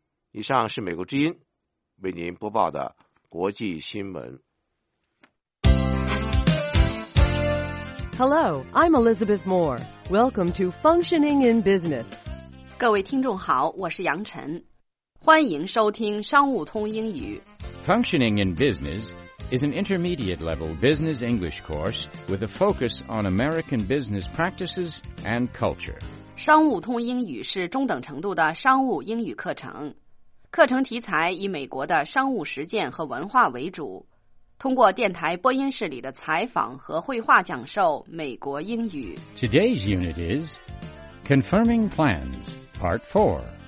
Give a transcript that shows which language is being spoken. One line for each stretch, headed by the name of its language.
Chinese: 以上是美国之音为您播报的国际新闻。
English: Hello, I'm Elizabeth Moore. Welcome to Functioning in Business.
Chinese: 各位听众好，我是杨晨，欢迎收听商务通英语。
English: Functioning in Business is an intermediate level business English course with a focus on American business practices and culture.
Chinese: 商务通英语是中等程度的商务英语课程，课程题材以美国的商务实践和文化为主，通过电台播音室里的采访和绘画讲授美国英语。
English: Today's unit is Confirming Plans, Part 4.